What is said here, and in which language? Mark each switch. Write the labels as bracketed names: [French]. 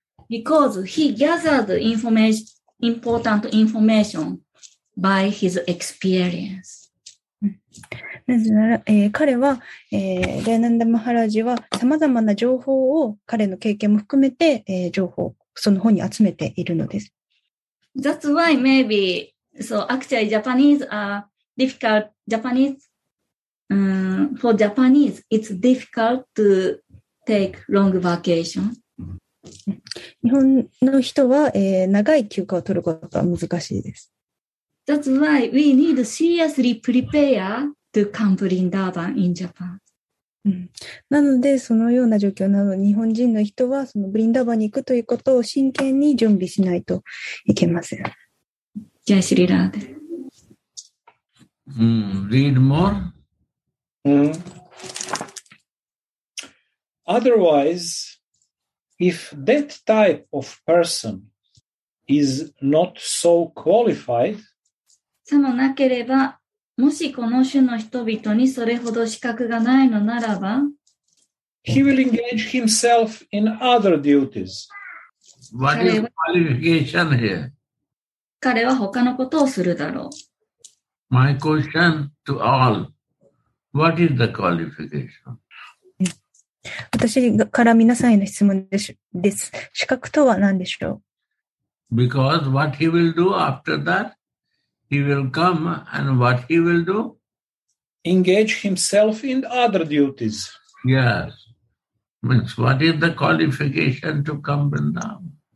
[English] Because he gathered information, important information. By his experience. [Japanese] なぜなら、彼は、ジャイナンダ・マハラージはさまざまな情報を彼の経験も含めて、情報その本に集めているのです。 [English] That's why maybe so actually Japanese are difficult. Japanese、for Japanese it's difficult to take long vacation. [Japanese] 日本の人は、長い休暇を取ることは難しいです。 [English] That's why we need seriously prepare to come Vrindavan in Japan.、 [Japanese] なのでそのような状況なの、日本人の人はそのブリンダーバンに行くということを真剣に準備しないといけません。じゃあシリラーで。 [English] Read more?、 Otherwise, if that type of person is not so qualified, [Japanese] さもなければ、もしこの種の人々にそれほど資格がないのならば、 [English] He will engage himself in other duties. What is qualification here? [Japanese] 彼は他のことをするだろう。 [English] My question to all, what is the qualification? [Japanese] 私から皆さんへの質問です。資格とは何でしょう? [English] Because what he will do after that? He will come and what he will do? Engage himself in other duties. Yes. Means what is the qualification to come Vrindavan?